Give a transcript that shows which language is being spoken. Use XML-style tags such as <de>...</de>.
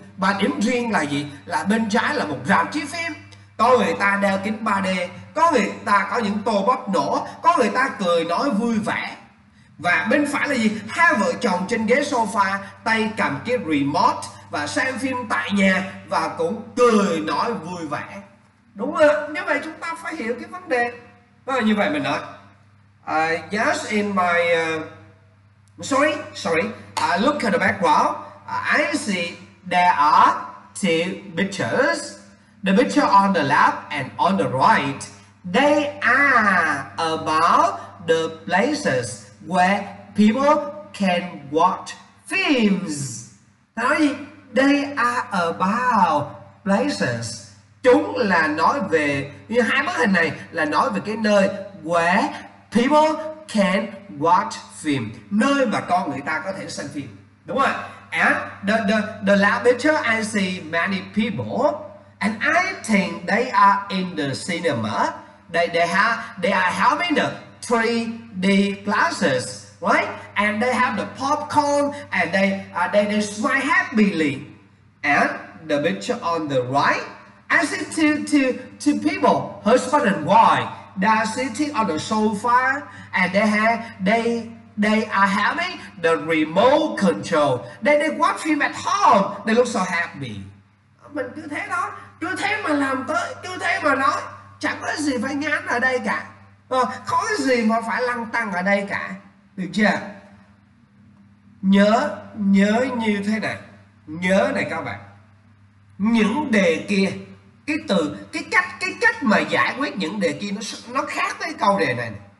<vi>Và điểm riêng là gì? Là bên trái là một rạp chiếu phim. Có người ta đeo kính 3D, có người ta có những tô bắp nổ, có người ta cười nói vui vẻ. Và bên phải là gì? Hai vợ chồng trên ghế sofa, tay cầm cái remote và xem phim tại nhà và cũng cười nói vui vẻ. Đúng rồi, như vậy chúng ta phải hiểu cái vấn đề. Rồi, như vậy mình nói</vi> <en>Yes, in my Sorry, look at the background. I see there are two pictures. The picture on the left and on the right, they are about the places where people can watch films.</en> <vi>Nói gì?</vi> <en>They are about places.</en> <vi>Chúng là nói về, như hai bức hình này là nói về cái nơi</vi> <en>where people can watch film.</en> <vi>Nơi mà con người ta có thể xem phim. Đúng rồi.</vi> <en>And the last picture, I see many people. And I think they are in the cinema. They are having the 3D glasses, right? And they have the popcorn and they smile happily. And the picture on the right, I see two people, husband and wife. They are sitting on the sofa and they are having the remote control. They watch film at home. They look so happy.</en> <vi>Mình cứ thế đó. cứ thế mà làm tới, cứ thế mà nói, chẳng có gì phải ngán ở đây cả, không có gì mà phải lăng tăng ở đây cả, được chưa? Nhớ, nhớ như thế này, nhớ này các bạn, những đề kia, cái từ, cái cách mà giải quyết những đề kia nó khác với câu đề này, này.</vi>